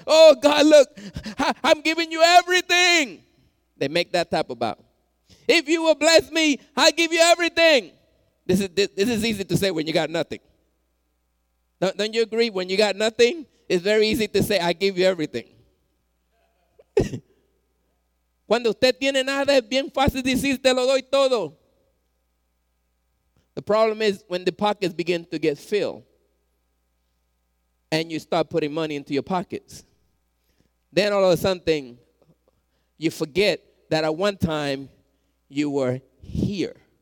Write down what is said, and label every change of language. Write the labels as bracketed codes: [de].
[en] Oh, God, look, I'm giving you everything. They make that type of vow. If you will bless me, I'll give you everything. This is easy to say when you got nothing. Don't you agree? When you got nothing, it's very easy to say, I give you everything. [es] Cuando usted tiene nada, es bien fácil decir, te lo doy todo. [en] The problem is when the pockets begin to get filled and you start putting money into your pockets. Then all of a sudden, you forget that at one time you were here.